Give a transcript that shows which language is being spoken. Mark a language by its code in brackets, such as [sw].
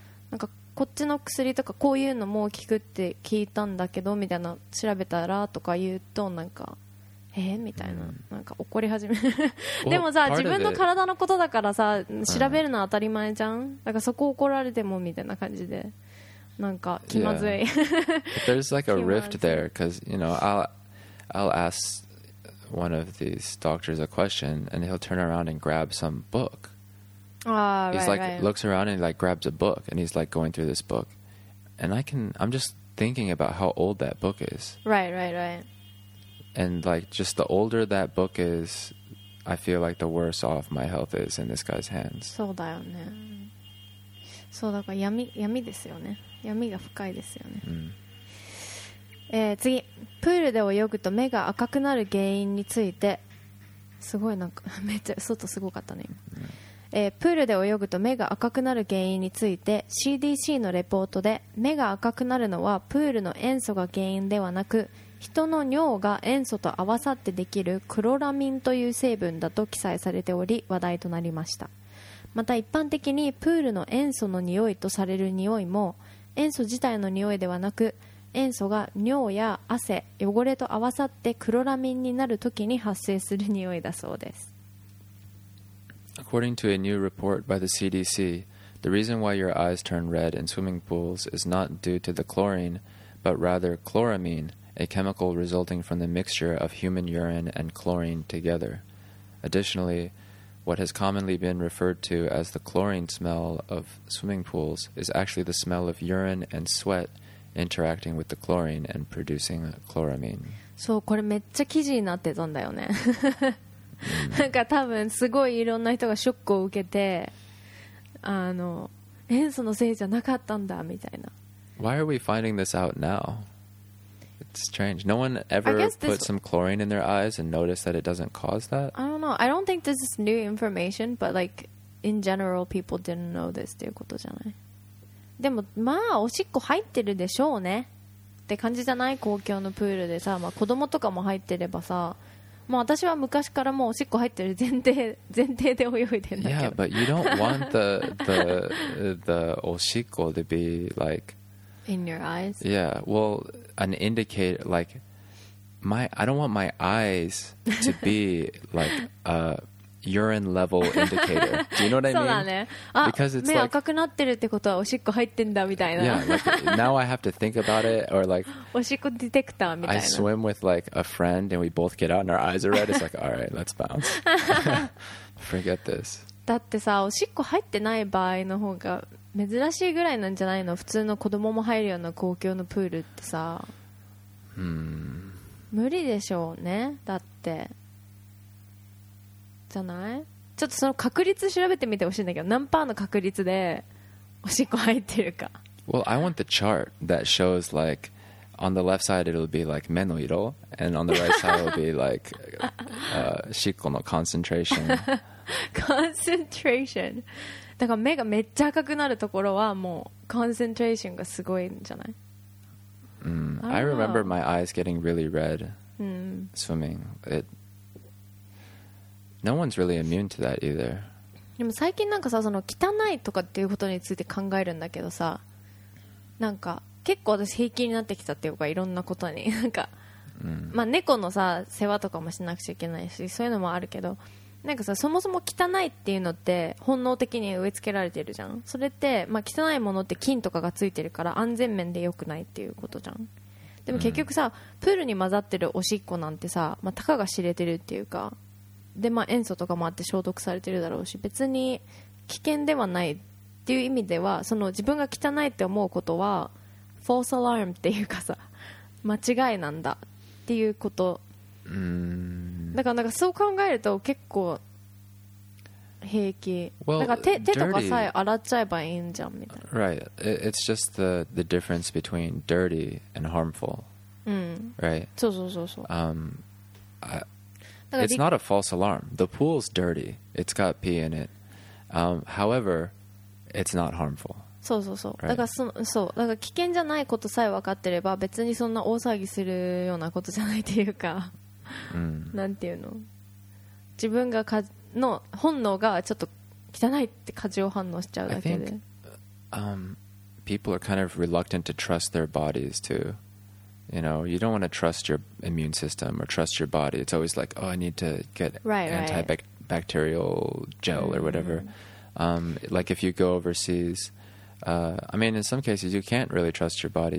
[ja] なんかこっちの薬とかこういうのも聞くって聞いたんだけどみたいな、調べたらとか言うとなんかみたいな、なんか怒り始めるでもさ、自分の体のことだからさ、調べるのは当たり前じゃん、だからそこ怒られてもみたいな感じで、なんか気まずい、 [en] yeah. There's like a rift there, because you know, I'll ask one of these doctors a question and he'll turn around and grab some book. Ah, right. He's like, looks around and like grabs a book and he's like going through this book. And I'm just thinking about how old that book is. Right, right, right. And like, just the older that book is, I feel like the worse off my health is in this guy's hands. [ja] そうだよね。そうだから闇ですよね。闇が深いですよね。次、プールで泳ぐと目が赤くなる原因について、すごいなんかめっちゃ外すごかったね今、プールで泳ぐと目が赤くなる原因について CDC のレポートで、目が赤くなるのはプールの塩素が原因ではなく、人の尿が塩素と合わさってできるクロラミンという成分だと記載されており話題となりました。また一般的にプールの塩素の匂いとされる匂いも、塩素自体の匂いではなく、塩素が尿や汗、汚れと合わさってクロラミンになるときに発生する匂いだそうです。 [en] According to a new report by the CDC, the reason why your eyes turn red in swimming pools is not due to the chlorine, but rather chloramine, a chemical resulting from the mixture of human urine and chlorine together. Additionally, what has commonly been referred to as the chlorine smell of swimming pools is actually the smell of urine and sweat. Interacting with the chlorine and producing chloramine. [ja] そう、これめっちゃ記事になってたんだよね。なんか多分すごいいろんな人がショックを受けて、あの塩素のせいじゃなかったんだみたいな。 [en] Why are we finding this out now? It's strange. No one ever put some chlorine in their eyes and noticed that it doesn't cause that. I don't know. I don't think this is new information, but like in general, people didn't know this [ja] っていうことじゃない。でもまあおしっこ入ってるでしょうねって感じじゃない、公共のプールでさ、まあ、子供とかも入ってればさ、もう私は昔からもうおしっこ入ってる前提で泳いでるんだけど。 [en] Yeah, but you don't want the [ja] おしっこ [en] to be like in your eyes. Yeah, well, an indicator, like I don't want my eyes to be like aUrine level indicator. Do you know what I mean? [ja] そうだね。あ、 [en] Because it's [ja] 目赤くなってるってことはおしっこ入ってんだみたいな。 [en] Yeah, like, now I have to think about it or like [ja] おしっこディテクターみたいな。 [en] I swim with like a friend and we both get out and our eyes are red. It's like, all right, let's bounce. Forget this. [ja] だってさ、おしっこ入ってない場合の方が珍しいぐらいなんじゃないの？普通の子供も入るような公共のプールってさ。無理でしょうね。だって。じゃない、ちょっとその確率調べてみてほしいんだけど、何パーの確率でおしっこ入ってるか。 [en] Well, I want the chart that shows like on the left side it'll be like [ja] 目の色 [en] and on the right side it'll be like [ja] しっこの [en] concentration [ja] concentration だから目がめっちゃ赤くなるところはもう concentration がすごいんじゃない、 [en] I remember my eyes getting really red swimming itNo one's really immune to that either. [ja] でも最近なんかさ、その汚いとかっていうことについて考えるんだけどさ、なんか結構私平気になってきたっていうか、いろんなことになんか、まあ猫のさ世話とかもしなくちゃいけないし、そういうのもあるけど、なんかさ、そもそも汚いっていうのって本能的に植え付けられてるじゃん。それって、まあ、汚いものって菌とかがついてるから安全面で良くないっていうことじゃん。でも結局さ、プールに混ざってるおしっこなんてさ、まあ、たかが知れてるっていうか、でまあ、塩素とかもあって消毒されてるだろうし、別に危険ではないっていう意味では、その自分が汚いって思うことはフォースアラームっていうかさ、間違いなんだっていうこと。だからなんかそう考えると結構平気。 [en] Well, [ja] なんか 手とかさえ洗っちゃえばいいんじゃんみたいな。 [en] Right. It's just the difference between dirty and harmful. Right. [ja] そうそうそうそう。 [en] I It's not a false alarm. The pool's dirty. It's got pee in it. However, it's not harmful. [ja] そうそうそう。 [en] Right. [ja] だからそう、だから危険じゃないことさえ分かってれば、別にそんな大騒ぎするようなことじゃないっていうか、なんていうの、自分がかの本能がちょっと汚いって過剰反応しちゃうだけで。 [en] People are kind of reluctant to trust their bodies too. You know, you don't want to trust your immune system or trust your body. It's always like, oh, I need to get antibacterial gel or whatever. Like if you go overseas, I mean, in some cases you can't really trust your body.